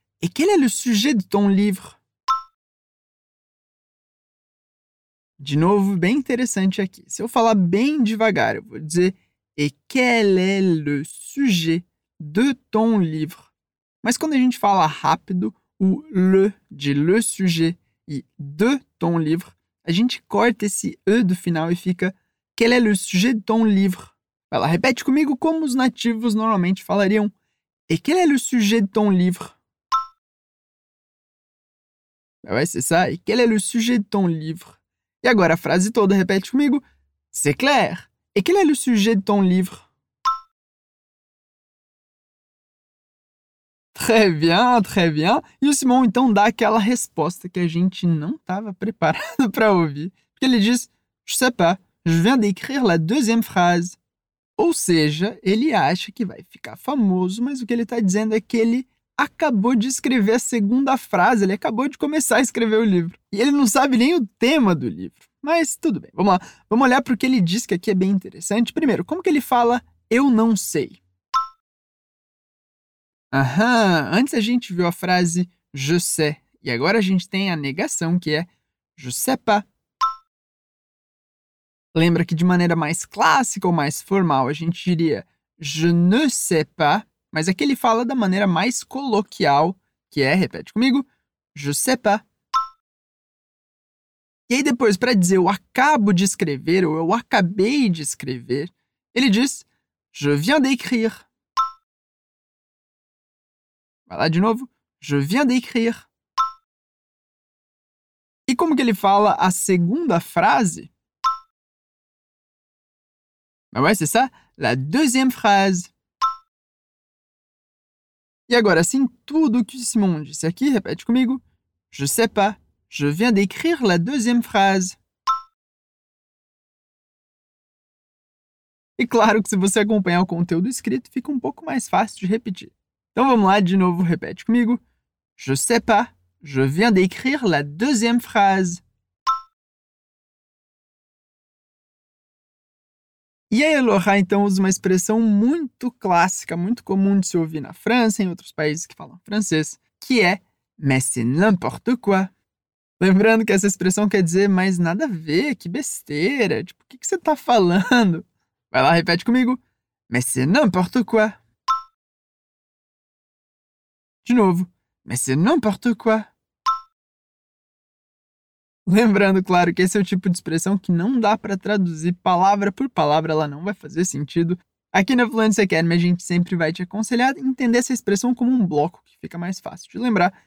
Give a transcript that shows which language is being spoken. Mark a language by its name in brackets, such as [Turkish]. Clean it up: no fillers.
[French] E quel est le sujet de ton livre? [Portuguese] De novo, bem interessante aqui. Se eu falar bem devagar, eu vou dizer [French] E quel est le sujet de ton livre? [Portuguese] Mas quando a gente fala rápido, o le de le sujet e de ton livre, a gente corta esse E do final e fica [French] Quel est le sujet de ton livre? [Portuguese] Vai lá, repete comigo como os nativos normalmente falariam. [French] Et quel est le sujet de ton livre? Ouais, c'est ça. Et quel est le sujet de ton livre? [Portuguese] E agora a frase toda, repete comigo. [French] C'est clair. Et quel est le sujet de ton livre? Très bien, très bien. [Portuguese] E o Simon, então, dá aquela resposta que a gente não estava preparado para ouvir. Porque ele diz, [French] je sais pas, je viens d'écrire la deuxième phrase. [Portuguese] Ou seja, ele acha que vai ficar famoso, mas o que ele está dizendo é que ele acabou de escrever a segunda frase, ele acabou de começar a escrever o livro. E ele não sabe nem o tema do livro. Mas tudo bem, vamos lá. Vamos olhar para o que ele diz, que aqui é bem interessante. Primeiro, como que ele fala eu não sei? Aham, antes a gente viu a frase [French] je sais, [Portuguese] e agora a gente tem a negação, que é [French] je sais pas. [Portuguese] Lembra que de maneira mais clássica ou mais formal, a gente diria [French] je ne sais pas, [Portuguese] mas aqui ele fala da maneira mais coloquial, que é, repete comigo, [French] je sais pas. [Portuguese] E aí depois, para dizer eu acabo de escrever ou eu acabei de escrever, ele diz [French] Je viens d'écrire. Voilà, [Portuguese] de novo. [French] Je viens d'écrire. [Portuguese] E como que ele fala a segunda frase? [French] Mas ouais, c'est ça, la deuxième phrase. [Portuguese] E agora sim, tudo que Simon disse aqui, repete comigo. [French] Je sais pas, je viens d'écrire la deuxième phrase. [Portuguese] E claro que se você acompanhar o conteúdo escrito, fica um pouco mais fácil de repetir. Então vamos lá, de novo, repete comigo. [French] Je sais pas, je viens d'écrire la deuxième phrase. [Portuguese] E aí, Laura, então, usa uma expressão muito clássica, muito comum de se ouvir na França e em outros países que falam francês, que é [French] mais c'est n'importe quoi. [Portuguese] Lembrando que essa expressão quer dizer mais nada a ver, que besteira, tipo, o que você está falando? Vai lá, repete comigo. [French] Mais c'est n'importe quoi. [Portuguese] De novo. [French] Mais c'est n'importe quoi. [Portuguese] Lembrando, claro, que esse é o tipo de expressão que não dá para traduzir palavra por palavra, ela não vai fazer sentido. Aqui na Fluency Academy, a gente sempre vai te aconselhar a entender essa expressão como um bloco, que fica mais fácil de lembrar.